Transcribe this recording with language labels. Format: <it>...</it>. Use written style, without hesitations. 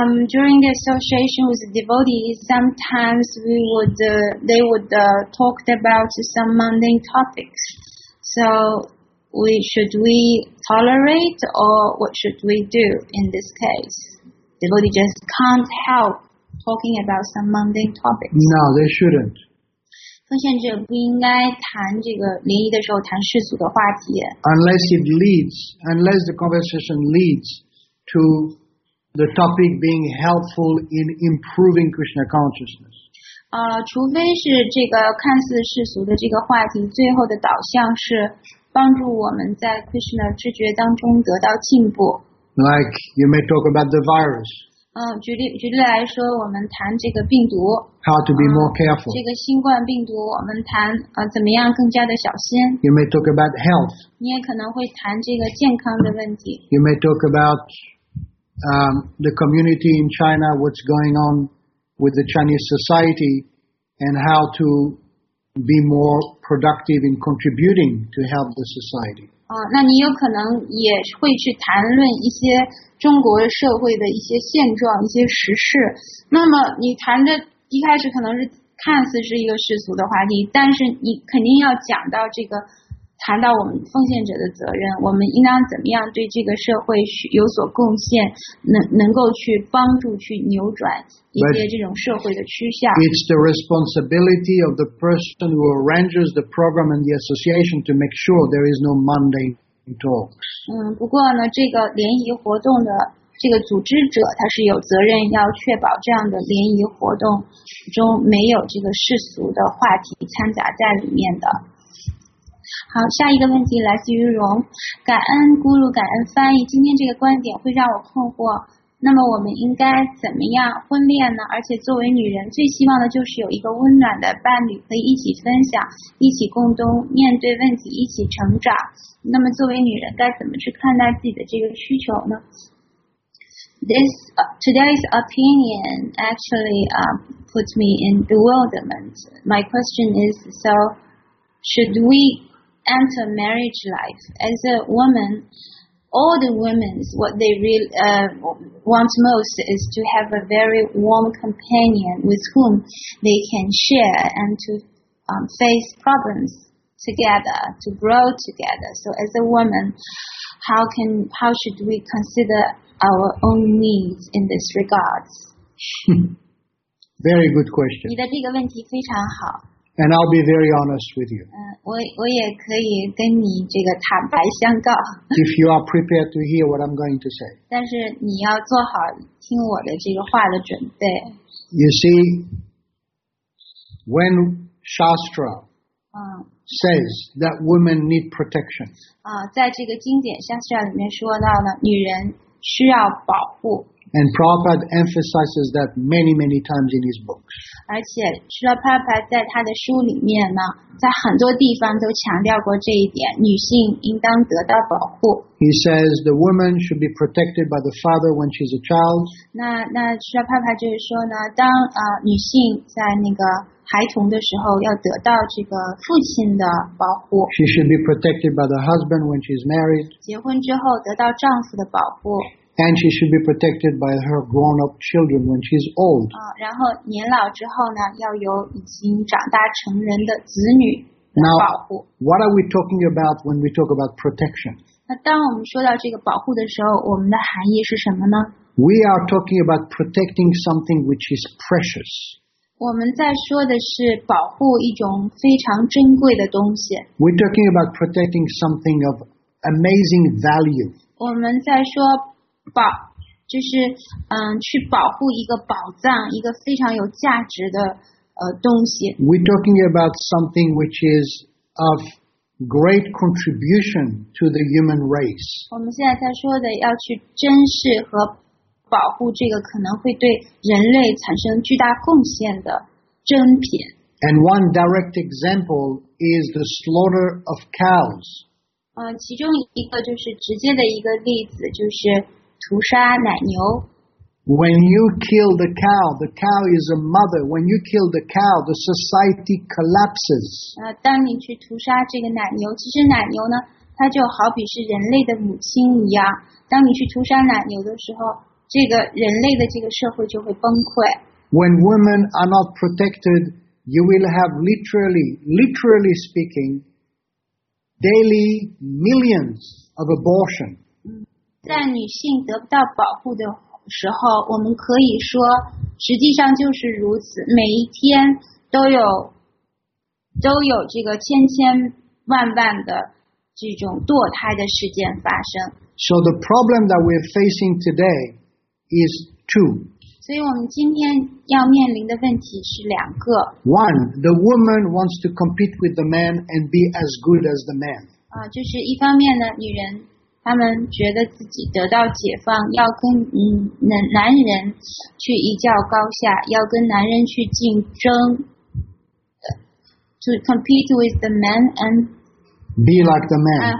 <en>During the association with the devotees, sometimes they would talk about some mundane topics. So, should we tolerate or what should we do in this case? Devotee just can't help talking about some mundane topics. No, they shouldn't.</en> <zh>奉献者不应该谈这个联谊的时候谈世俗的话题。</zh> <en>Unless the conversation leads to the topic being helpful in improving Krishna consciousness.</en> <zh>除非是这个看似世俗的这个话题，最后的导向是帮助我们在 Krishna 知觉当中得到进步。</zh> <en>Like you may talk about the virus.</en> <zh>举例来说，我们谈这个病毒。</zh> <en>How to be more careful.</en> <zh>这个新冠病毒，我们谈怎么样更加的小心。</zh> <en>You may talk about health.</en> <zh>你也可能会谈这个健康的问题。</zh> <en>You may talk about the community in China, what's going on with the Chinese society, and how to be more productive in contributing to help the society.</en> <zh>那你有可能也会去谈论一些中国社会的一些现状、一些时事。那么你谈的一开始可能是看似是一个世俗的话题，但是你肯定要讲到这个。谈到我们奉献者的责任，我们应当怎么样对这个社会有所贡献，能够去帮助去扭转一些这种社会的趋向。</zh> <en>It's the responsibility of the person who arranges the program and the association to make sure there is no mundane talks.</en> <zh>不过呢，这个联谊活动的这个组织者他是有责任要确保这样的联谊活动中没有这个世俗的话题掺杂在里面的。好，下一个问题来自于荣，感恩咕噜，感恩翻译。今天这个观点会让我困惑。那么我们应该怎么样婚恋呢？而且作为女人，最希望的就是有一个温暖的伴侣，可以一起分享，一起共同面对问题，一起成长。那么作为女人，该怎么去看待自己的这个需求呢？</zh> <en>This today's opinion actually puts me in bewilderment. My question is, so should we enter marriage life as a woman? All the women, what they really want most is to have a very warm companion with whom they can share and to face problems together, to grow together. So as a woman, how should we consider our own needs in this regard? Very good question.</en> <zh>你的这个问题非常好。</zh> <en>And I'll be very honest with you.</en> <zh>我也可以跟你这个坦白相告。</zh> <en>If you are prepared to hear what I'm going to say.</en> <zh>但是你要做好听我的这个话的准备。</zh> <en>You see, when Shastra says that women need protection.</en> <zh>在这个经典 Shastra 里面说到呢，女人需要保护。</zh> <en>And Prabhupada emphasizes that many, many times in his books.</en> <zh>而且除了 Prabhupada 在他的书里面呢，在很多地方都强调过这一点，女性应当得到保护。</zh> <en>He says the woman should be protected by the father when she's a child.</en> <zh>那除了 Prabhupada 就是说呢，当女性在那个孩童的时候要得到这个父亲的保护。</zh> <en>She should be protected by the husband when she's married.</en> <zh>结婚之后得到丈夫的保护。</zh> <en>And she should be protected by her grown-up children when she's old.</en> <zh>然后年老之后呢，要有已经长大成人的子女的保护。</zh> <en>Now, what are we talking about when we talk about protection?</en> <zh>那当我们说到这个保护的时候，我们的含义是什么呢？</zh> <en>We are talking about protecting something which is precious.</en> <zh>我们在说的是保护一种非常珍贵的东西。</zh> <en>We're talking about protecting something of amazing value.</en> <zh>我们在说保，就是去保护一个宝藏，一个非常有价值的东西。</zh> <en>We're talking about something which is of great contribution to the human race.</en> <zh>我们现在在说的要去珍视和保护这个可能会对人类产生巨大贡献的珍品。</zh> <en>And one direct example is the slaughter of cows.</en> <zh>其中一个就是直接的一个例子，就是屠杀奶牛。</zh> <en>When you kill the cow is a mother. When you kill the cow, the society collapses.</en> <zh>当你去屠杀这个奶牛，其实奶牛呢，它就好比是人类的母亲一样。当你去屠杀奶牛的时候，这个人类的这个社会就会崩溃。</zh> <en>When women are not protected,You will have literally speaking, daily millions of abortion.</en> <zh>在女性得不到保护的时候，我们可以说，实际上就是如此。每一天都有这个千千万万的这种堕胎的事件发生。</zh> <en>So the problem that we're facing today is two.</en> <zh>所以我们今天要面临的问题是两个。</zh> <en>One, the woman wants to compete with the man and be as good as the man.</en> <zh>就是一方面呢，女人她们觉得自己得到解放，要跟男人去一较高下，要跟男人去竞争。</zh> <en>To compete with the man and be like the man.</en>